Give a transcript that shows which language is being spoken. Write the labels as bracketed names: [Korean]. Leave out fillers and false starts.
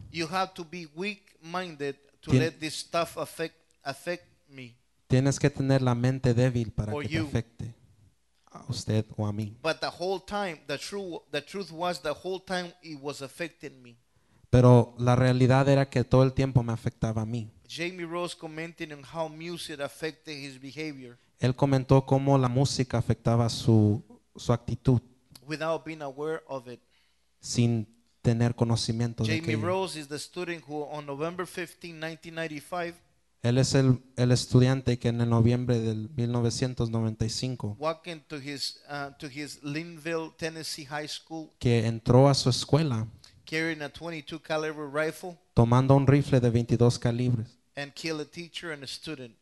[English] You have to be weak-minded to let this stuff affect me. [Spanish] Tienes que tener la mente débil para que te afecte a usted o a mí. [English] But the whole time, the truth was the whole time it was affecting me. [Spanish] Pero la realidad era que todo el tiempo me afectaba a mí. [English] Jamie Rose commented on how music affected his behavior. [Spanish] Él comentó cómo la música afectaba su actitud. [English] Without being aware of it. [Spanish] Sin tener conocimiento [English] Jamie [Spanish] de aquello. [English] Jamie Rose is the student who on November 15, 1995. [Spanish] Él es el estudiante que en el noviembre del 1995 [English] walked to his Linville, Tennessee high school, [Spanish] que entró a su escuela [English] carrying a 22 caliber rifle, [Spanish] tomando un rifle de 22 calibres, [English] and killed a teacher and a student,